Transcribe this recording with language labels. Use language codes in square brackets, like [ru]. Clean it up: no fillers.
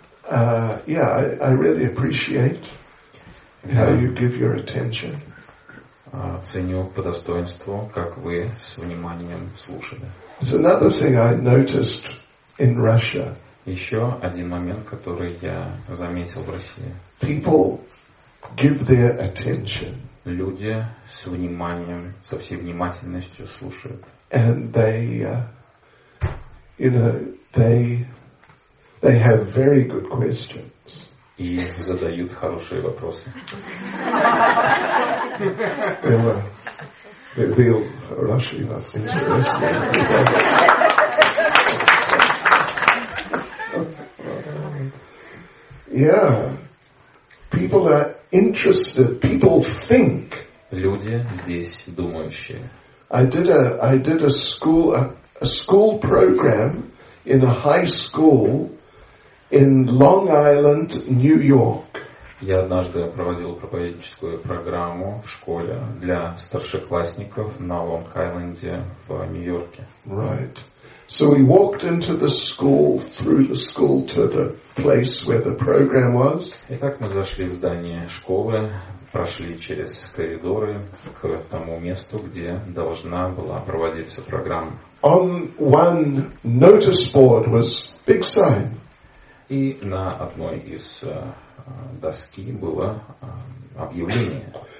[en] I really appreciate how you give your attention. [ru] Ценю по достоинству, как вы с вниманием слушали. [en] It's another thing I noticed in Russia. [ru] Еще один момент, который я заметил в России. [en] People give their attention. [ru] Люди с вниманием, со всей внимательностью слушают. [en] And they, you know, they have very good questions. [ru] И задают хорошие вопросы. Был хороший вопрос. Интересный. [en] Yeah. People are interested. People think. [ru] Люди здесь думающие. [en] I did a school program in a high school in Long Island, New York. [ru] Я однажды проводил проповедническую программу в школе для старшеклассников на Лонг-Айленде в Нью-Йорке. [en] Right. So we walked into the school, through the school to the place where the program was. [ru] Итак, мы зашли в здание школы, прошли через коридоры к тому месту, где должна была проводиться программа. [en] On one notice board was big sign. [ru] И на одной из доски было объявление.